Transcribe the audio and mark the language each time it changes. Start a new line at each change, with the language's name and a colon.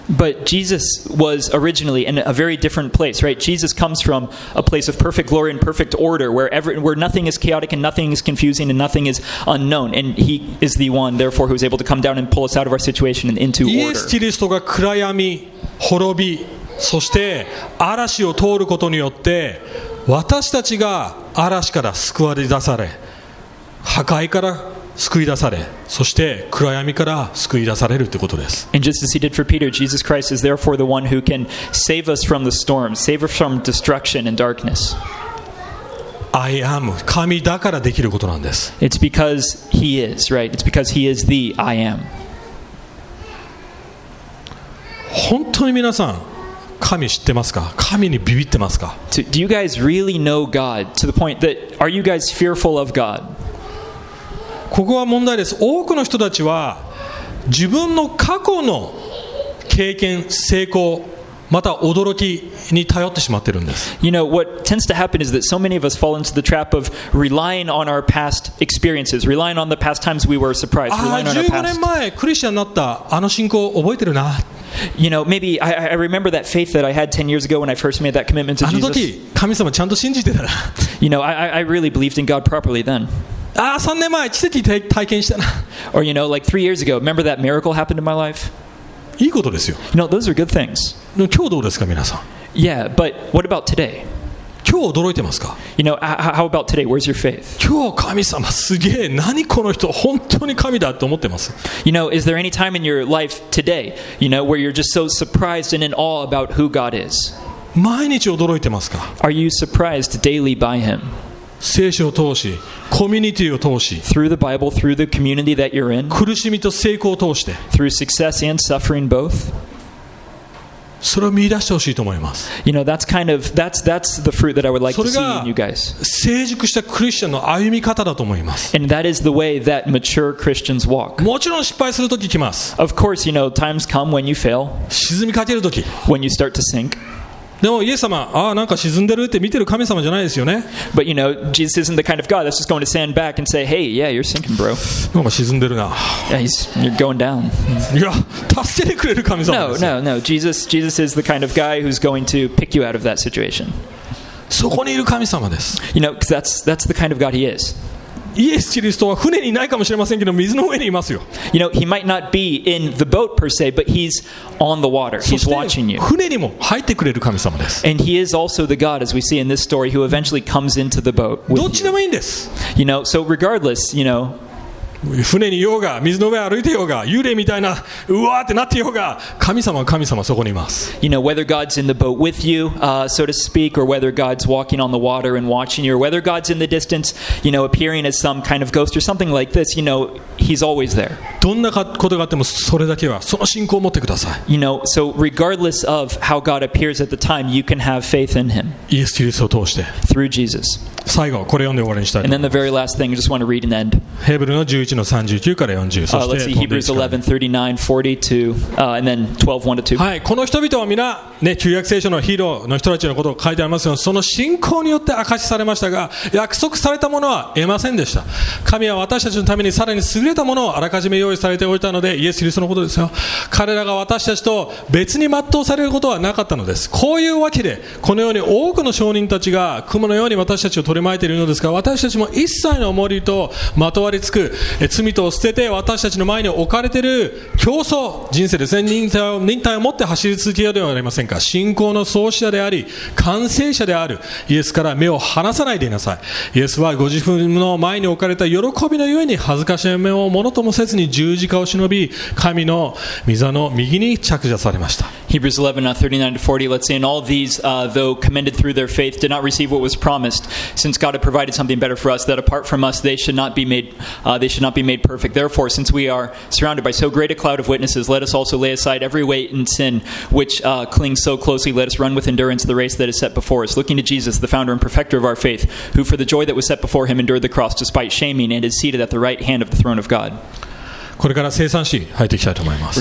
English: But Jesus was originally in a very different place, right? Jesus comes from a place of perfect glory and perfect order, where nothing is chaotic and nothing is confusing and nothing is unknown. And he is the one, therefore, who is able to come down and pull us out of our situation and into order.
Japanese: イエス・キリストが暗闇、滅び、そして嵐を通ることによって、私たちが嵐から救われ出され、破壊から救い出され、そして暗闇から救い出されるということです。
English: And just as he did for Peter, Jesus Christ is therefore the one who can save us from the storm, save us from destruction and darkness. I am
Japanese: 神だからできることなんです。
English: It's because he is, right? It's because he is the I am.
Japanese: 本当に皆さん、神知ってますか？神にビビってますか？
English: Do you guys really know God to the point that are you guys fearful of God?
Japanese: ここは問題です。多くの人たちは自分の過去の経験、成功、また驚きに頼ってしまってるんです。
English: You know, what tends to happen is that so many of us fall into the trap of relying on our past experiences, relying on the past times we were surprised, relying on our past.
Japanese: 15年前クリスチャンになったあの信仰覚えてるな。
English: You know, maybe I remember that faith that I had 10 years ago when I first made that commitment to Jesus.
Japanese: あの時、神様ちゃんと信じてたな。
English: You know, I really believed in God properly then.
Japanese: ああ、3年前、奇跡体験したな。
English: Or, you know, like 3 years ago, remember that miracle happened in my life?
Japanese: いいことですよ。
English: No, those are good things.
Japanese: 今日どうですか、皆さん。
English: Yeah, but what about today?
Japanese: 今日驚いてますか。
English: You know, how about today? Where's your faith?
Japanese: 今日神様、すげえ、何この人、本当に神だと思ってます。
English: You know, is there any time in your life today, you know, where you're just so surprised and in awe about who God is?
Japanese: 毎日驚いてますか。
English: Are you surprised daily by Him?
Japanese: 聖書を通し、コミュニティを通し、
English: through the Bible, through the community that you're in,
Japanese: 苦しみと成功を通して、
English: through success and suffering both,
Japanese: それを見出してほしいと思います。
English: You know, that's kind of, that's the fruit that I would like to see in you guys.
Japanese: それが成熟したクリスチャンの歩み方だと思います。
English: And that is the way that mature Christians walk.
Japanese: もちろん失敗するとき来ます。
English: Of course, you know, times come when you fail.
Japanese: 沈みかけるとき。
English: When you start to sink.
Japanese: でもイエス様、ああなんか沈んでるって見てる神様じゃないですよね。
English: But you know, Jesus isn't the kind of God that's just going to stand back and say, "Hey, yeah, you're sinking, bro."
Japanese: なんか沈んでるな。
English: Yeah, you're going down.
Japanese: いや、助けてくれる神様です。
English: No. Jesus is the kind of guy who's going to pick you out of that situation.
Japanese: そこにいる神様です。
English: You know, because that's the kind of God He is.
Japanese: イエス・キリストは船にいないかもしれませんけど、水の上にいますよ。
English: You know, he might not be in the boat per se, but he's on the water. He's watching you.
Japanese: 船にも入ってくれる神様です。
English: And he is also the God, as we see in this story, who eventually comes into the boat with you.
Japanese: どっちでもいいんです。
English: You know, so regardless, you know,
Japanese: 船にいようが、水の上歩いてようが、幽霊みたいな、うわーってなってようが、神様は神様そこにいます。
English: You know, whether God's in the boat with you, so to speak, or whether God's walking on the water and watching you, or whether God's in the distance, you know, appearing as some kind of ghost or something like this, you know, he's always there.
Japanese: どんなことがあってもそれだけは、その信仰を持ってください。
English: You know, so regardless of how God appears at the time, you can have faith in him.
Japanese: イエス・キリストを通して。
English: Through Jesus.
Japanese: 最後これ読んで終わりにしたいと思います。
English: And then the very last thing, I just want to read and end.
Japanese: ヘブルの11の39から40、そして
English: let's see, Hebrews 11, 39, 40 to, and then 12, 1 to 2.
Japanese: はい、この人々は皆、ね、旧約聖書のヒーローの人たちのことを書いてありますが、その信仰によって証しされましたが、約束されたものは得ませんでした。神は私たちのためにさらに優れたものをあらかじめ用意されておいたので、イエス・キリストのことですよ。彼らが私たちと別に全うされることはなかったのです。こういうわけで、このように多くの証人たちが雲のように私たちを取り巻いているのですが、私たちも一切の重りとまとわりつく罪と捨てて私たちの前に置かれている競争人生ですね、忍耐を持って走り続けるではありませんか。信仰の創始者であり完成者であるイエスから目を離さないでいなさい。イエスはご自分の前に置かれた喜びのゆえに恥ずかしめをものともせずに十字架を忍び神の御座の右に着座されました。
English: Hebrews 11:39-40 Let's see, and all these though commended through their faith did not receive what was promised, since God had provided something better for us, that apart from us they should not be made perfect. Therefore, since we are surrounded by so great a cloud of witnesses, let us also lay aside every weight and sin which clings so closely. Let us run with endurance the race that is set before us, looking to Jesus, the founder and perfecter of our faith, who for the joy that was set before him endured the cross, despite shaming, and is seated at the right hand of the throne of God.
Japanese: これから聖餐式入っていきたいと思います。